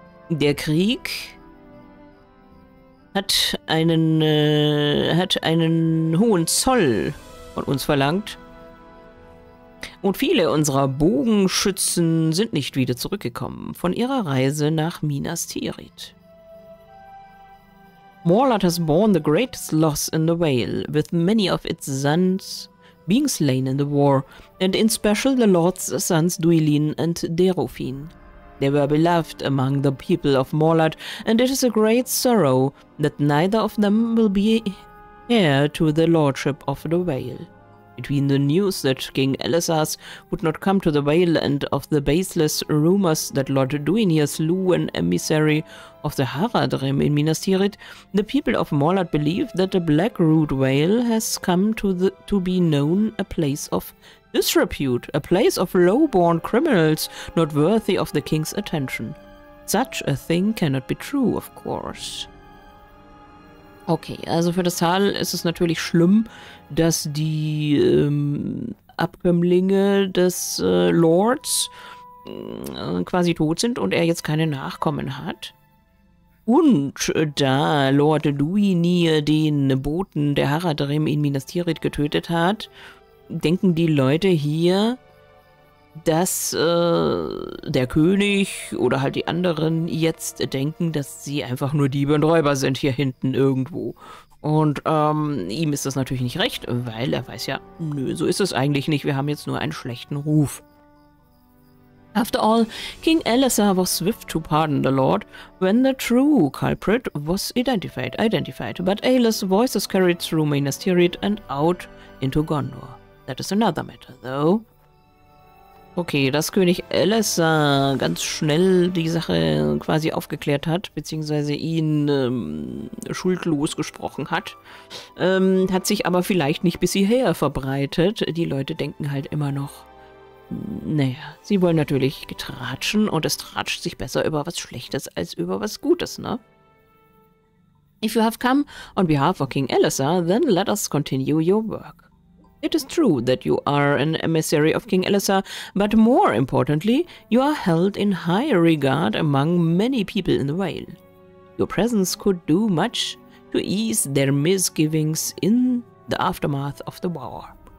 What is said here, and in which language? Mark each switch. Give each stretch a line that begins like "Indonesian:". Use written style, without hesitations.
German: Der Krieg hat einen hohen Zoll von uns verlangt. Und viele unserer Bogenschützen sind nicht wieder zurückgekommen von ihrer Reise nach Minas Tirith.
English: Morlad has borne the greatest loss in the Vale, with many of its sons being slain in the war, and in special the Lord's sons Duilin and Derofin. They were beloved among the people of Morlad, and it is a great sorrow that neither of them will be heir to the Lordship of the Vale. Between the news that King Elessars would not come to the Vale and of the baseless rumors that Lord Duinir slew an emissary of the Haradrim in Minas Tirith, the people of Morlad believe that the Blackrood Vale has come to be known a place of disrepute, a place of low-born criminals not worthy of the king's attention. Such a thing cannot be true, of course.
German: Okay, also für das Tal ist es natürlich schlimm, dass die Abkömmlinge des Lords quasi tot sind und er jetzt keine Nachkommen hat. Und da Lord Duinir den Boten der Haradrim in Minas Tirith getötet hat, denken die Leute hier, dass der König oder halt die anderen jetzt denken, dass sie einfach nur Diebe und Räuber sind hier hinten irgendwo Und ihm ist das natürlich nicht recht, weil er weiß ja, nö, so ist es eigentlich nicht. Wir haben jetzt nur einen schlechten Ruf.
English: After all, King Alessar was swift to pardon the Lord when the true culprit was identified. But Aelis' voice is carried through Minas Tirith and out into Gondor. That is another matter, though.
German: Okay, dass König Alessar ganz schnell die Sache quasi aufgeklärt hat, beziehungsweise ihn schuldlos gesprochen hat, hat sich aber vielleicht nicht bis hierher verbreitet. Die Leute denken halt immer noch, naja, sie wollen natürlich getratschen und es tratscht sich besser über was Schlechtes als über was Gutes, ne?
English: If you have come on behalf of King Alessar, then let us continue your work. It is true that you are an emissary of King Alessar, but more importantly, you are held in high regard among many people in the Vale. Your presence could do much to ease their misgivings in the aftermath of the war.